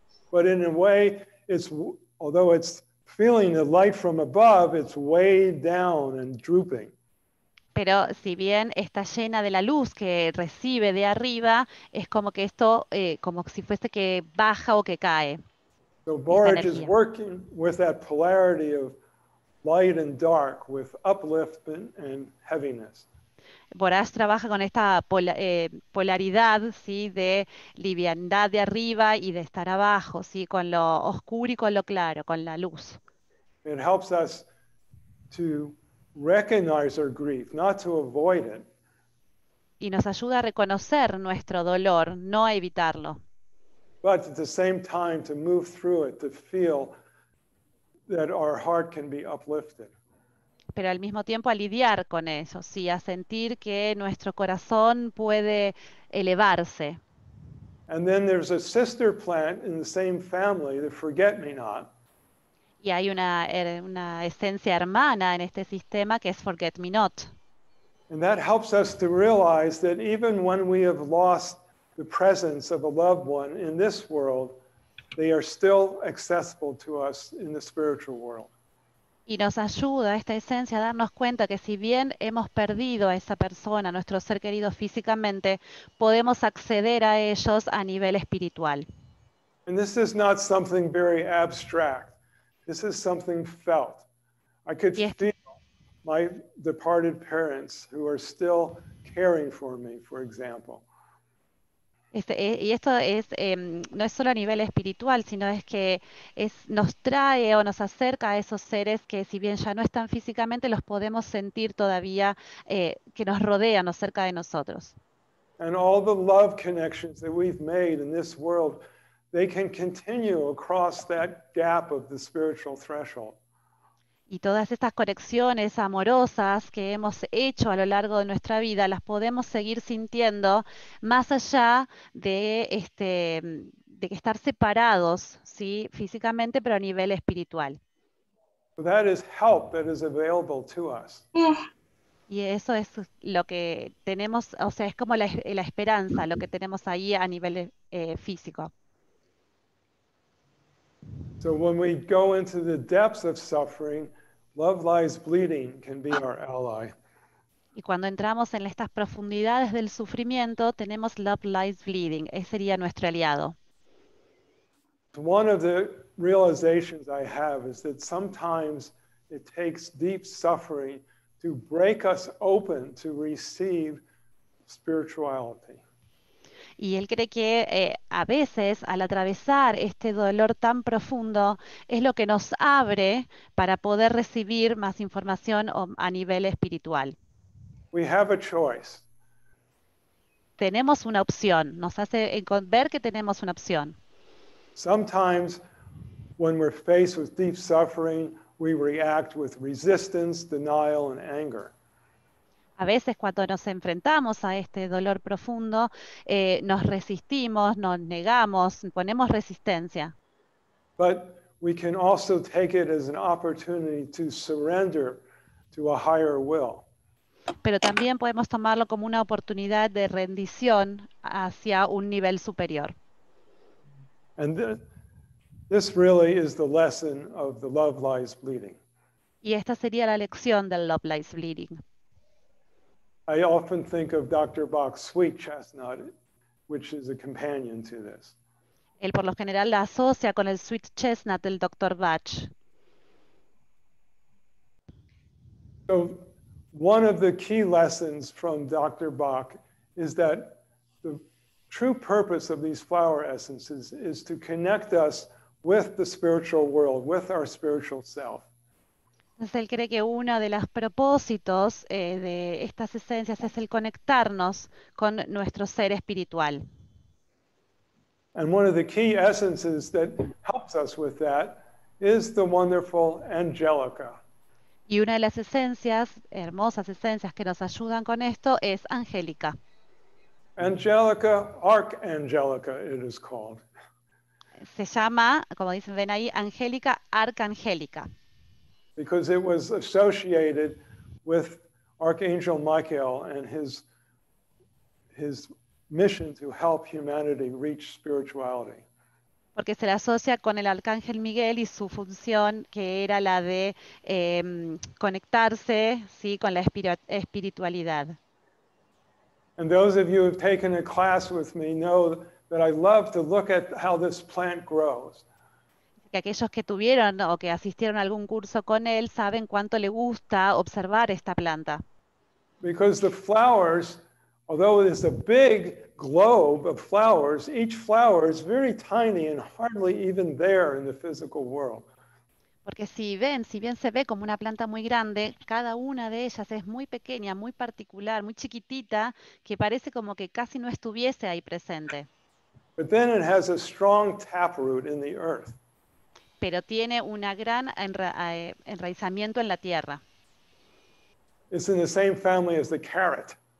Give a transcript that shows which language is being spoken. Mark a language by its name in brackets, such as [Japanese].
[English] But in a way, it's although it's feeling the light from above, it's weighed down and drooping. [Spanish] Pero si bien está llena de la luz que recibe de arriba, es como que esto, como si fuese que baja o que cae. [English] So Borage is working with that polarity of light and dark, with upliftment and heaviness. [Spanish] Borage trabaja con esta polaridad, ¿sí? De liviandad de arriba y de estar abajo, ¿sí? Con lo oscuro y con lo claro, con la luz. [English] It helps us to recognize our grief, not to avoid it. [Spanish] Y nos ayuda a reconocer nuestro dolor, no a evitarlo. [English] But at the same time to move through it, to feel that our heart can be uplifted. [Spanish] Pero al mismo tiempo a lidiar con eso, sí, a sentir que nuestro corazón puede elevarse. [English] And then there's a sister plant in the same family, the forget-me-not. [Spanish] Y hay una esencia hermana en este sistema que es forget-me-not. [English] And that helps us to realize that even when we have lost the presence of a loved one in this world, they are still accessible to us in the spiritual world. [Spanish] Y nos ayuda esta esencia a darnos cuenta que si bien hemos perdido a esa persona, a nuestro ser querido físicamente, podemos acceder a ellos a nivel espiritual. [English] And this is not something very abstract. This is something felt. I could feel my departed parents who are still caring for me, for example. [Spanish] Y esto es no es solo a nivel espiritual, sino es que nos trae o nos acerca a esos seres que si bien ya no están físicamente, los podemos sentir todavía que nos rodean o cerca de nosotros. [English] And all the love connections that we've made in this world, they can continue across that gap of the spiritual threshold. [Spanish] Y todas estas conexiones amorosas que hemos hecho a lo largo de nuestra vida las podemos seguir sintiendo más allá de estar separados, sí, físicamente, pero a nivel espiritual. [English] So that is help that is available to us. [Spanish] Y eso es lo que tenemos, o sea, es como la esperanza, lo que tenemos ahí a nivel físico. [English] So when we go into the depths of suffering, love lies bleeding can be our ally. [Spanish] Y cuando entramos en estas profundidades del sufrimiento, tenemos love lies bleeding. Ese sería nuestro aliado. [English] One of the realizations I have is that sometimes it takes deep suffering to break us open to receive spirituality. [Spanish] Y él cree que a veces, al atravesar este dolor tan profundo, es lo que nos abre para poder recibir más información a nivel espiritual. [English] We have a choice. [Spanish] Tenemos una opción. Nos hace ver que tenemos una opción. [English] Sometimes, when we're faced with deep suffering, we react with resistance, denial, and anger. [Spanish] A veces cuando nos enfrentamos a este dolor profundo, nos resistimos, nos negamos, ponemos resistencia. [English] But we can also take it as an opportunity to surrender to a higher will. [Spanish] Pero también podemos tomarlo como una oportunidad de rendición hacia un nivel superior. [English] And this really is the lesson of the love lies bleeding. [Spanish] Y esta sería la lección del love lies bleeding. [English] I often think of Dr. Bach's Sweet Chestnut, which is a companion to this. [Spanish] Él por lo general la asocia con el Sweet Chestnut del Dr. Bach. [English] So, one of the key lessons from Dr. Bach is that the true purpose of these flower essences is to connect us with the spiritual world, with our spiritual self. [Spanish] Entonces él cree que uno de los propósitos de estas esencias es el conectarnos con nuestro ser espiritual. [English] And one of the key essences that helps us with that is the wonderful Angelica. [Spanish] Y una de las esencias, hermosas esencias que nos ayudan con esto es Angélica. [English] Angelica, Archangelica, it is called. [Spanish] Se llama, como dicen, ven ahí, Angélica, Arcangélica. [English] Because it was associated with Archangel Michael and his mission to help humanity reach spirituality. [Spanish] Porque se la asocia con el Arcángel Miguel y su función, que era la de conectarse, ¿sí?, con la espiritualidad. [English] And those of you who have taken a class with me know that I love to look at how this plant grows. [Spanish] Que aquellos que tuvieron o que asistieron a algún curso con él saben cuánto le gusta observar esta planta. [English] Because the flowers, although it is a big globe of flowers, each flower is very tiny and hardly even there in the physical world. [Spanish] Porque si bien se ve como una planta muy grande, cada una de ellas es muy pequeña, muy particular, muy chiquitita, que parece como que casi no estuviese ahí presente. [English] But then it has a strong tap root in the earth. [Spanish] Pero tiene un gran enraizamiento en la tierra. [English] It's in the same family as the carrot.